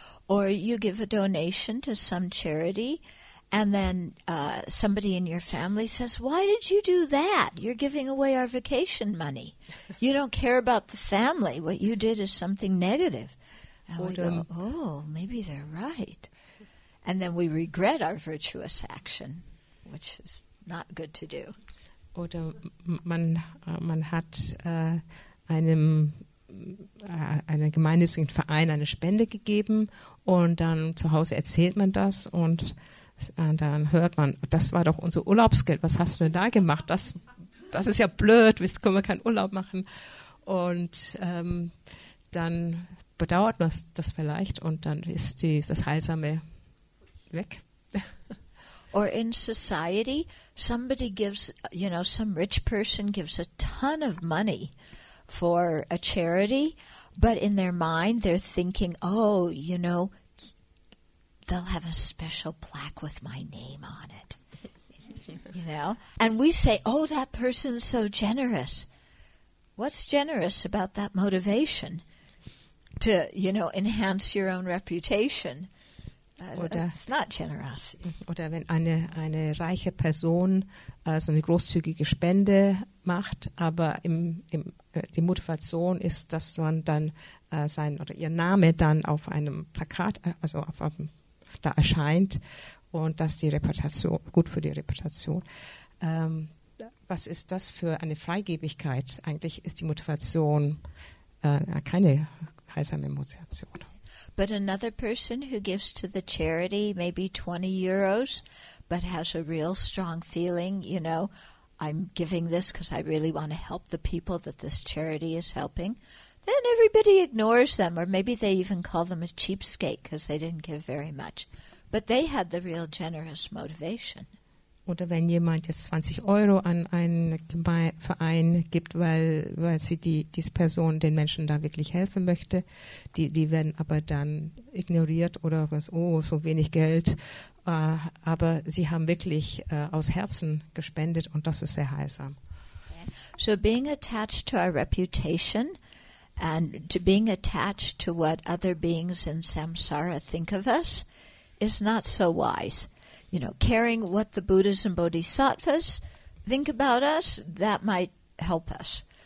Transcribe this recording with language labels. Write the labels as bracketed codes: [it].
[en] Or you give a donation to some charity and then somebody in your family says, why did you do that? You're giving away our vacation money. You don't care about the family. What you did is something negative. And we go, oh, maybe they're right. And then we regret our virtuous action, which is not good to do. [de] Oder man hat einer gemeinnützigen Verein eine Spende gegeben und dann zu Hause erzählt man das und dann hört man, das war doch unser Urlaubsgeld, was hast du denn da gemacht? Das ist ja blöd, jetzt können wir keinen Urlaub machen. Und dann bedauert man das vielleicht und dann ist das Heilsame weg. [en] Or in society, somebody gives, you know, some rich person gives a ton of money for a charity, but in their mind they're thinking, oh, you know, they'll have a special plaque with my name on it, you know? And we say, oh, that person's so generous. What's generous about that motivation to, you know, enhance your own reputation? It's not generosity. [de] Oder wenn eine reiche Person also eine großzügige Spende macht, aber die Motivation ist, dass man dann sein oder ihr Name dann auf einem Plakat, also auf einem da erscheint und dass die Reputation, gut für die Reputation. Was ist das für eine Freigebigkeit? Eigentlich ist die Motivation keine heilsame Motivation. [en] But another person who gives to the charity maybe 20 euros, but has a real strong feeling, you know, I'm giving this because I really want to help the people that this charity is helping. Then everybody ignores them, or maybe they even call them a cheapskate because they didn't give very much. But they had the real generous motivation. [de] Oder wenn jemand jetzt 20 Euro an einen Verein gibt, weil sie diese Person, den Menschen da wirklich helfen möchte, die werden aber dann ignoriert oder was, oh, so wenig Geld. Aber sie haben wirklich aus Herzen gespendet und das ist sehr heilsam. [en] So being attached to our reputation, and to being attached to what other beings in samsara think of us is not so wise. You know, caring what the Buddhas and Bodhisattvas think about us, that might help us.